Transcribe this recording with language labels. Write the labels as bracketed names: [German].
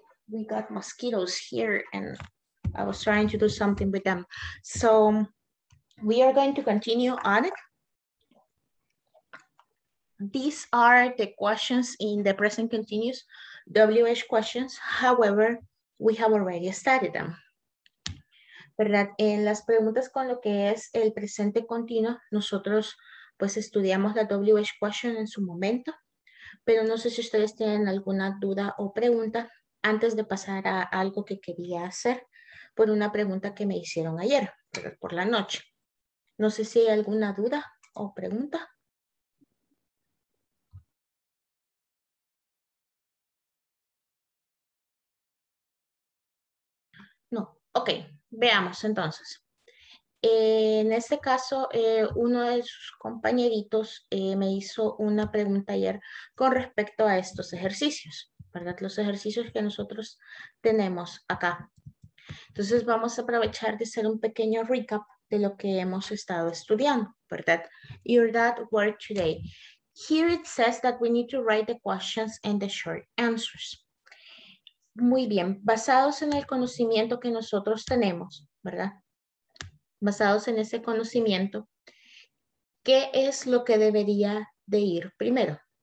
[English] We got mosquitoes here and I was trying to do something with them. So we are going to continue on. These are the questions in the present continuous, WH questions. However, we have already studied them. ¿Verdad? [Spanish] En las preguntas con lo que es el presente continuo, nosotros pues estudiamos la WH question en su momento, pero no sé si ustedes tienen alguna duda o pregunta antes de pasar a algo que quería hacer por una pregunta que me hicieron ayer, por la noche. No sé si hay alguna duda o pregunta. No, ok. Veamos entonces, en este caso uno de sus compañeritos me hizo una pregunta ayer con respecto a estos ejercicios, ¿verdad? Los ejercicios que nosotros tenemos acá. Entonces vamos a aprovechar de hacer un pequeño recap de lo que hemos estado estudiando, ¿verdad? [English] Your dad worked today. Here it says that we need to write the questions and the short answers. [Spanish] Muy bien, basados en el conocimiento que nosotros tenemos, ¿verdad? Basados en ese conocimiento, ¿qué es lo que debería de ir primero?